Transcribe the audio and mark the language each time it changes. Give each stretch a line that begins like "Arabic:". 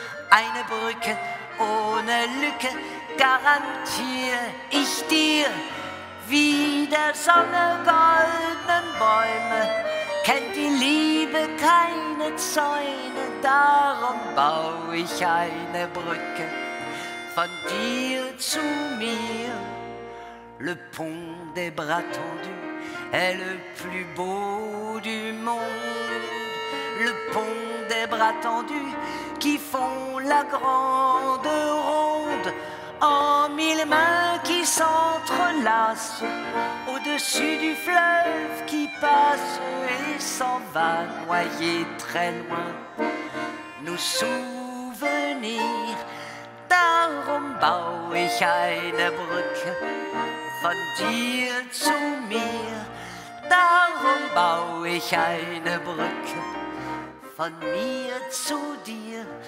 German: Eine Brücke ohne Lücke garantier ich dir. wie der Sonne goldenen Bäume, kennt die Liebe keine Zäune, darum bau ich eine Brücke von dir zu mir.
French: Le pont des bras tendus est le plus beau du monde. Le pont des bras tendus qui font la grande ronde en mille mains qui s'entrelacent au-dessus du fleuve qui passe et s'en va noyer très loin. Nous souvenir,
German: darum baue ich eine Brücke von dir zu mir. Darum baue ich eine Brücke von mir zu dir.